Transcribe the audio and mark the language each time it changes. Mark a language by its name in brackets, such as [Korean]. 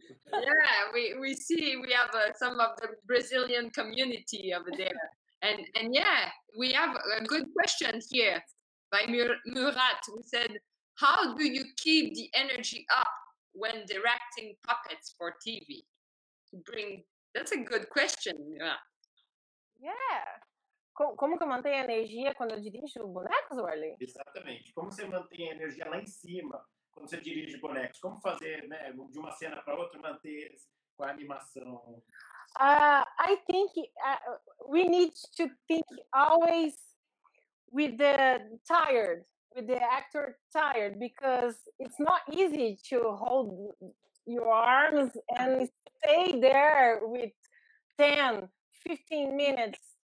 [English] Yeah, we see we have some of the Brazilian community over there, and yeah, we have a good question here by Murat. Who said, "How do you keep the energy up when directing puppets for TV?" That's a good question. Yeah. Yeah. [Portuguese] Como que eu mantenho a energia quando eu dirijo bonecos, Orly? Exatamente. Como você mantém a energia lá em cima quando você dirige bonecos? Como fazer, né, de uma cena para outra, manter com a animação? [English] I think we need to think always with the tired, with the actor tired, because it's not easy to hold your arms and stay there with 10, 15 minutes.